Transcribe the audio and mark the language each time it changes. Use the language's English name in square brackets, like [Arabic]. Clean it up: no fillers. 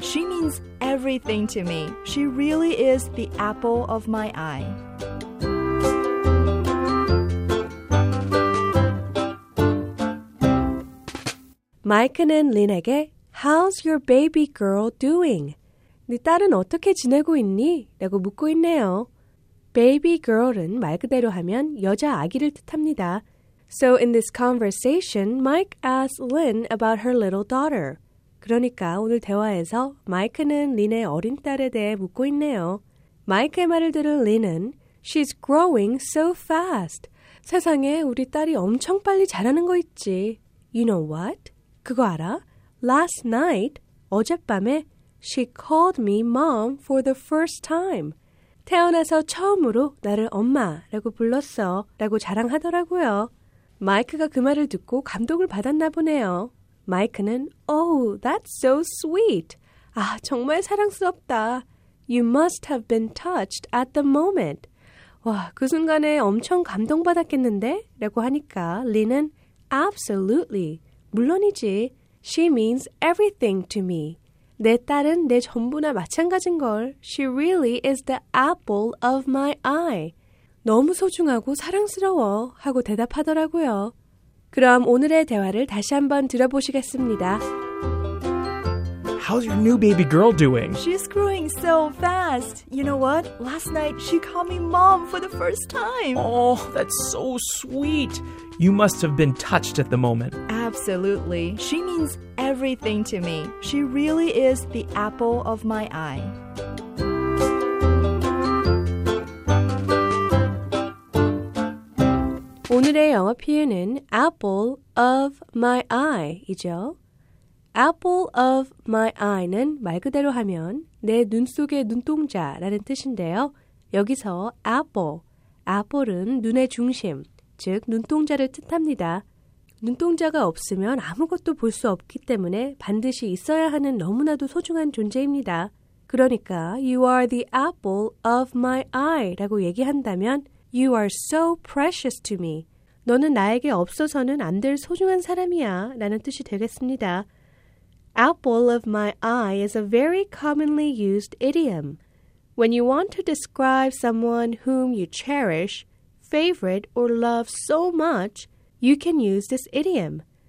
[English] She means everything to me. She really is the apple of my eye. [Korean] 마이크는 린에게 [English] How's your baby girl doing? [Korean] 네 딸은 어떻게 지내고 있니? 라고 묻고 있네요. Baby girl은 말 그대로 하면 여자 아기를 뜻합니다. [English] So in this conversation, Mike asks Lynn about her little daughter. [Korean] 그러니까 오늘 대화에서 마이크는 린의 어린 딸에 대해 묻고 있네요. 마이크의 말을 들은 린은 [English] She's growing so fast. [Korean] 세상에 우리 딸이 엄청 빨리 자라는 거 있지. [English] You know what? [Korean] 그거 알아? [English] Last night, [Korean] 어젯밤에 [English] She called me mom for the first time. [Korean] 태어나서 처음으로 나를 엄마라고 불렀어 라고 자랑하더라고요. 마이크가 그 말을 듣고 감동을 받았나 보네요. 마이크는 [English] Oh, that's so sweet. [Korean] 아, 정말 사랑스럽다. [English] You must have been touched at the moment. [Korean] 와, 그 순간에 엄청 감동받았겠는데? 라고 하니까 린은 Absolutely. 물론이지. [English] She means everything to me. [Korean] 내 딸은 내 전부나 마찬가지인걸. [English] She really is the apple of my eye. [Korean] 너무 소중하고 사랑스러워 하고 대답하더라고요. 그럼 오늘의 대화를 다시 한번 들어보시겠습니다. [English] How's your new baby girl doing? She's growing so fast. You know what? Last night she called me mom for the first time. Oh, that's so sweet. You must have been touched at the moment. Absolutely. She means everything to me. She really is the apple of my eye. [Korean] 오늘의 영어 표현은 apple of my eye이죠. apple of my eye는 말 그대로 하면 내 눈 속의 눈동자라는 뜻인데요. 여기서 apple, apple은 눈의 중심, 즉 눈동자를 뜻합니다. 눈동자가 없으면 아무것도 볼 수 없기 때문에 반드시 있어야 하는 너무나도 소중한 존재입니다. 그러니까 [English] you are the apple of my eye [Korean] 라고 얘기한다면 [English] you are so precious to me. [Korean] 너는 나에게 없어서는 안 될 소중한 사람이야 라는 뜻이 되겠습니다. [English] Apple of my eye is a very commonly used idiom. When you want to describe someone whom you cherish, favorite, or love so much, you can use this idiom.